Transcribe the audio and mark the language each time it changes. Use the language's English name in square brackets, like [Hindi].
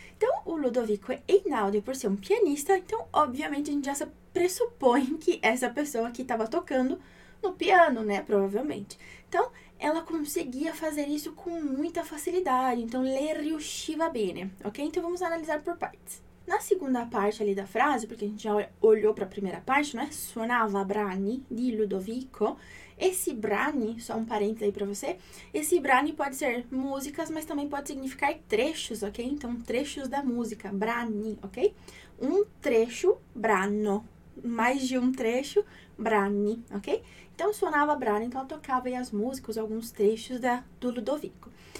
[Portuguese] Então o Ludovico Einaudi, por ser um pianista, então obviamente a gente já pressupõe que essa pessoa que estava tocando no piano, né, provavelmente. Então ela conseguia fazer isso com muita facilidade, então [Italian] le riusciva bene, [Portuguese] ok? Então vamos analisar por partes. Na segunda parte ali da frase, porque a gente já olhou para a primeira parte, né? [Italian] Suonava brani di Ludovico. [Portuguese] Esse brani, só um parênteses aí para você, esse brani pode ser músicas, mas também pode significar trechos, ok? Então, trechos da música, brani, ok? Um trecho, brano. Mais de um trecho, brani, ok? Então, [Italian] suonava brani, [Portuguese] então tocava aí as músicas, alguns trechos do Ludovico.